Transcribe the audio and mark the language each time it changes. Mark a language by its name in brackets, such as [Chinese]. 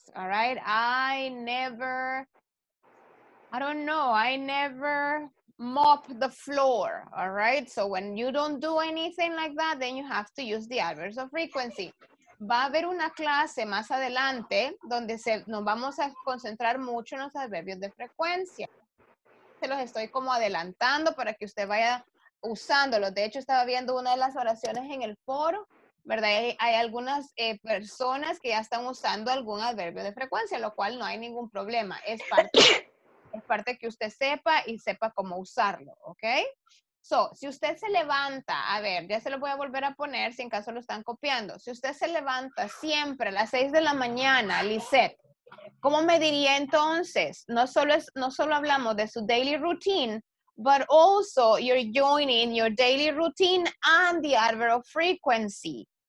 [English] All right, I never, I don't know, I never mop the floor, all right? So when you don't do anything like that, then you have to use the adverbs of frequency. [Spanish] Va a haber una clase más adelante donde nos vamos a concentrar mucho en los adverbios de frecuencia. Se los estoy como adelantando para que usted vaya usándolos. De hecho, estaba viendo una de las oraciones en el foro, ¿verdad? Hay algunas personas que ya están usando algún adverbio de frecuencia, lo cual no hay ningún problema. Es parte que usted sepa y sepa cómo usarlo, ¿ok? So, si usted se levanta, a ver, ya se lo voy a volver a poner si en caso lo están copiando. Si usted se levanta siempre a las 6 de la mañana, Lisette, ¿cómo me diría entonces? No solo hablamos de su [English] daily routine, but also you're joining your daily routine and the adverb of frequency.